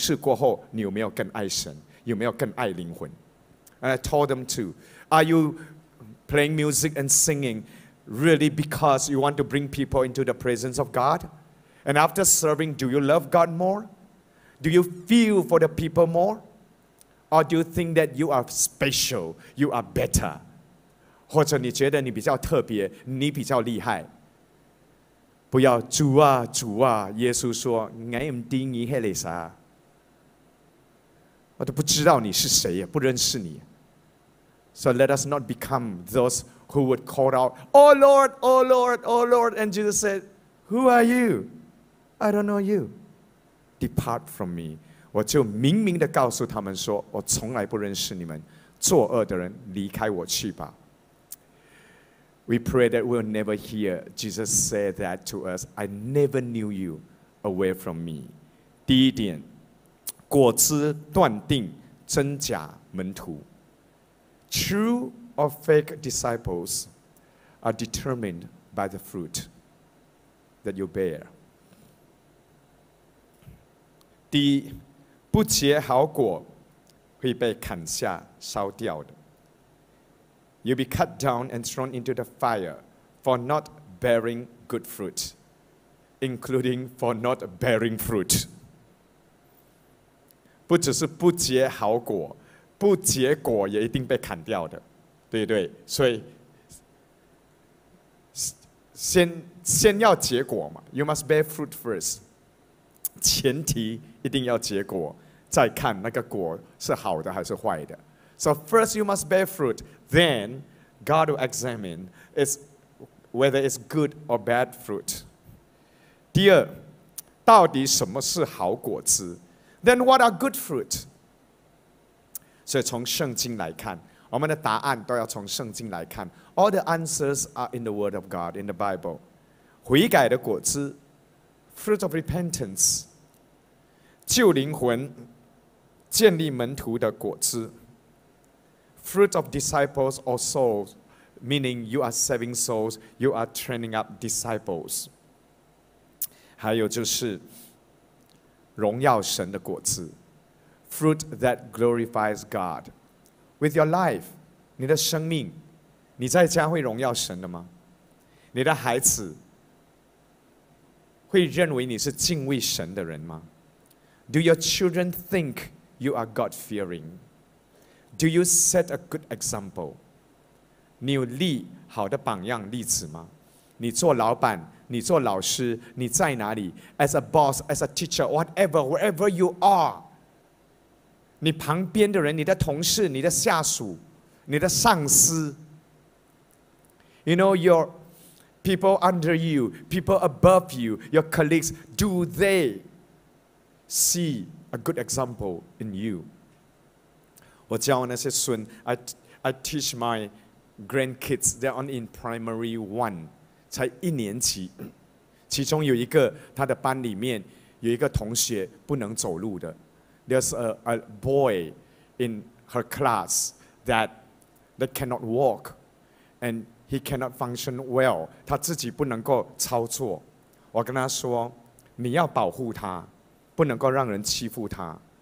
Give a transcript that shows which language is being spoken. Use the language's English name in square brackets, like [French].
[Chinese] 不要只是因为你喜欢站在台上，你喜欢音乐，你喜欢唱歌，你是不是真的要带领人进入神的同在，亲近神？你服侍过后，你有没有更爱神？有没有更爱灵魂？ [English] And I told them too, are you playing music and singing really because you want to bring people into the presence of God? And after serving, do you love God more? Do you feel for the people more? Or do you think that you are special, you are better? [Chinese] 或者你觉得你比较特别，你比较厉害？不要，主啊，主啊，耶稣说， 我不知道你是谁，不认识你。我都不知道你是谁，不认识你。 [English] So let us not become those who would call out, Oh Lord, Oh Lord, Oh Lord. And Jesus said, Who are you? I don't know you. Depart from me. [Chinese] 我就明明地告诉他们说， 我从来不认识你们， 作恶的人离开我去吧。 [English] We pray that we'll never hear Jesus say that to us, I never knew you, away from me. [Chinese] 第一点， 果子断定真假门徒。 [English] True or fake disciples are determined by the fruit that you bear. [Chinese] 第一， 不结好果会被砍下烧掉的。 [English] You'll be cut down and thrown into the fire for not bearing good fruit, including for not bearing fruit. [Chinese] 不只是不结好果， 不结果也一定被砍掉的， 对不对？所以 先要结果嘛， [English] You must bear fruit first. [Chinese] 前提一定要结果，再看那个果是好的还是坏的。 [English] So first you must bear fruit, then God will examine is whether it's good or bad fruit. [Chinese] 第二，到底什么是好果子？ [English] Then what are good fruit? [Chinese] 所以从圣经来看，我们的答案都要从圣经来看。 [English] All the answers are in the Word of God, in the Bible. [Chinese] 悔改的果子 [English] ，fruit of repentance， [Chinese] 救灵魂，建立门徒的果子 [English] ，fruit of disciples or souls， meaning you are saving souls, you are training up disciples。 [Chinese] 还有就是荣耀神的果子 ， [English] fruit that glorifies God。 With your life, [Chinese] 你的生命，你在家会荣耀神的吗？你的孩子会认为你是敬畏神的人吗？ [English] Do your children think you are God-fearing? Do you set a good example? [Chinese] 你有立好的榜样例子吗？你做老板，你做老师，你在哪里？ [English] As a boss, as a teacher, whatever, wherever you are, [Chinese] 你旁边的人，你的同事，你的下属，你的上司 [English] ，You know your people under you, people above you, your colleagues. Do they see a good example in you? [Chinese] 我教那些孙 ， [English] I teach my grandkids. They're only in primary one, [Chinese] 才一年级。其中有一个，他的班里面有一个同学不能走路的。 [English] There's a boy in her class that cannot walk and he cannot function well. [Chinese] 他自己不能够操作。我跟他说，你要保护他，不能够让人欺负他。